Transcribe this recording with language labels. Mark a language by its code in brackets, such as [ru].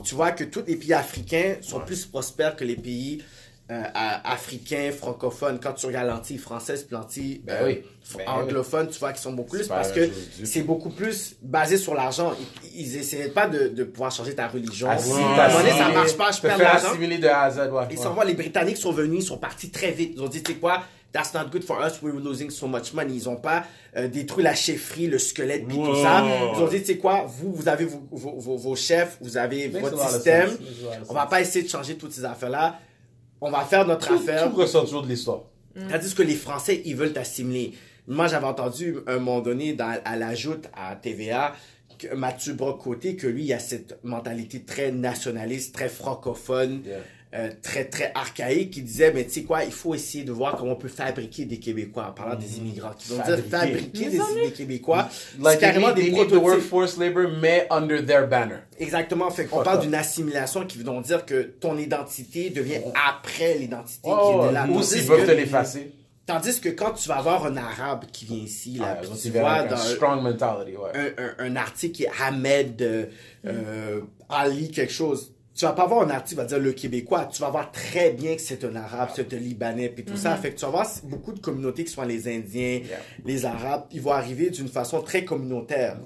[fr] Tu vois que tous les pays africains sont plus prospères que les pays africains, francophones. Quand tu regardes l'Antille française, l'Antille anglophone, tu vois qu'ils sont beaucoup plus parce que c'est beaucoup plus basé sur l'argent. Ils essaient pas de pouvoir changer ta religion. Ça marche pas, je perds l'argent. Ils sont les Britanniques sont venus, ils sont partis très vite. Ils ont dit, tu sais quoi, [en] that's not good for us, we're losing so much money. [fr] Ils ont pas détruit la chefferie, le squelette, puis tout ça. Ils ont dit, tu sais quoi, vous avez vos chefs, vous avez votre système. On va pas essayer de changer toutes ces affaires-là. On va faire notre affaire. Tout ressort toujours de l'histoire. Tandis que les Français, ils veulent t'assimiler. Moi, j'avais entendu un moment donné à l'ajout à TVA, que Mathieu Brock-Côté, que lui, il a cette mentalité très nationaliste, très francophone, très, très archaïque, qui disait, mais tu sais quoi, il faut essayer de voir comment on peut fabriquer des Québécois en parlant des immigrants. Ils vont dire fabriquer des Québécois. Like c'est carrément des prototypes. [en] They need the workforce labor, [fr] mais [en] under their banner. [fr] Exactement. Fait qu'on parle d'une assimilation qui veut dire que ton identité devient après l'identité qui est de la nôtre. Ou s'ils veulent te l'effacer. Tandis que quand tu vas voir un arabe qui vient ici, là, puis tu vois dans un article qui est Ahmed Ali quelque chose, tu vas pas voir un article, va dire le Québécois, tu vas voir très bien que c'est un arabe, c'est un Libanais, puis tout ça. Fait que tu vas voir beaucoup de communautés qui sont les Indiens, les Arabes, ils vont arriver d'une façon très communautaire.